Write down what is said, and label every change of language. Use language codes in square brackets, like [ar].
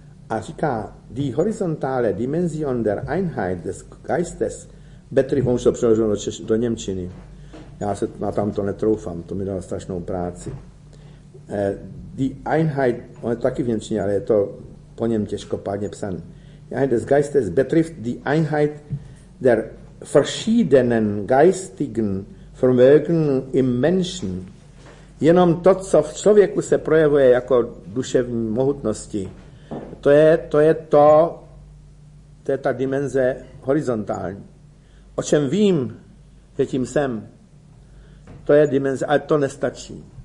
[cs] A říká, [de] die horizontale Dimension der Einheit des Geistes, [cs] Betrich, on už to přeložil do němčiny. Já se na tamto netroufám, to mi dalo strašnou práci. [de] Die Einheit, [cs] on je taky v němčině, ale je to po něm těžkopádně psan. [de] Einheit des Geistes betrifft die Einheit der verschiedenen geistigen Vermögen im Menschen. [cs] Jenom to, co v člověku se projevuje jako duševní mohutnosti, to je ta dimenze horizontální. O čem vím, že tím jsem, to je dimenze, ale to nestačí.